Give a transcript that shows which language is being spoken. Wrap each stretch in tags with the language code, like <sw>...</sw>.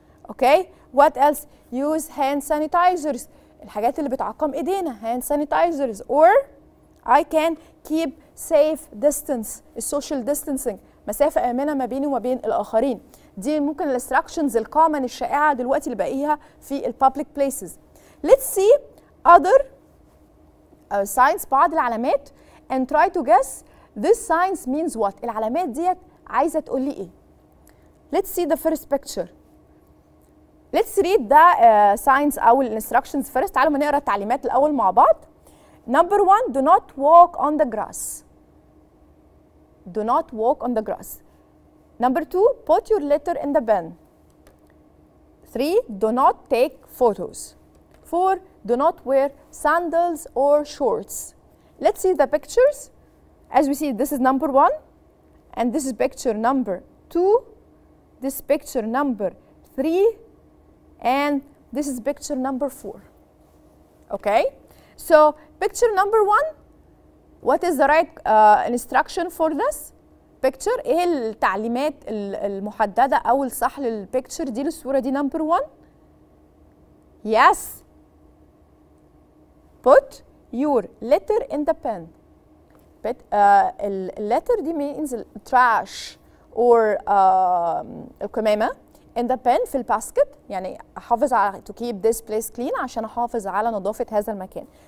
<en>Okay, what else? Use hand sanitizers.</en> <ar>الحاجات اللي بتعقم ايدينا.</ar> <en>Hand sanitizers. Or I can keep safe distance. Social distancing.</en> <ar>مسافة آمنة ما بيني وما بين الآخرين. دي ممكن الاستراكشنز الكومن الشائعة دلوقتي اللي بقيها في الpublic places.</ar> <en>Let's see other signs,</en> <ar>بعض العلامات.</ar> <en>And try to guess this signs means what.</en> <ar>العلامات ديت عايزة تقول لي إيه؟</ar> <en>Let's see the first picture. Let's read the signs أو instructions first.</en> <ar>تعالوا نقرأ التعليمات الأول مع بعض.</ar> <en>Number one, do not walk on the grass. Do not walk on the grass. Number two, put your litter in the bin. Three, do not take photos. Four, do not wear sandals or shorts. Let's see the pictures. As we see, this is number one. And this is picture number two, this picture number 3 and this is picture number 4. Okay? So, picture number 1, what is the right instruction for this picture?</en> <ar>ايه التعليمات المحددة او الصح للبيكتشر دي للصورة دي number 1؟ Yes.</ar> <en>Put your letter in the pen.</en> <ar>But letter دي means trash or الكمامة in the pen في الباسكت، يعني احافظ على</ar> <en>to keep this place clean</en> <ar>عشان احافظ على نظافة هذا المكان.</ar>